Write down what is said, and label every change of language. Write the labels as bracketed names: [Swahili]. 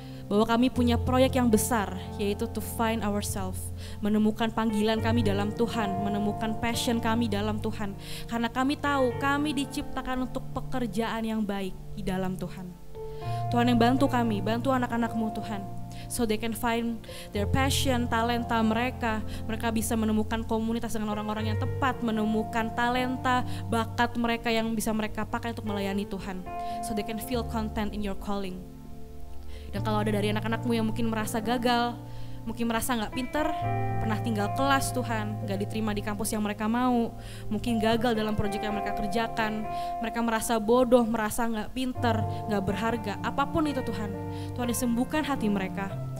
[Indonesian] bahwa kami punya proyek yang besar, yaitu [English] to find ourselves, [Indonesian] menemukan panggilan kami dalam Tuhan, menemukan passion kami dalam Tuhan, karena kami tahu kami diciptakan untuk pekerjaan yang baik di dalam Tuhan. Tuhan yang bantu kami, bantu anak-anakmu Tuhan, [English] so they can find their passion, [Indonesian] talenta mereka. Mereka bisa menemukan komunitas dengan orang-orang yang tepat, menemukan talenta, bakat mereka yang bisa mereka pakai untuk melayani Tuhan. [English] So they can feel content in your calling. [Indonesian] Dan kalau ada dari anak-anakmu yang mungkin merasa gagal, mungkin merasa gak pinter, pernah tinggal kelas Tuhan, gak diterima di kampus yang mereka mau, mungkin gagal dalam proyek yang mereka kerjakan, mereka merasa bodoh, merasa gak pinter, gak berharga, apapun itu Tuhan, Tuhan sembuhkan hati mereka.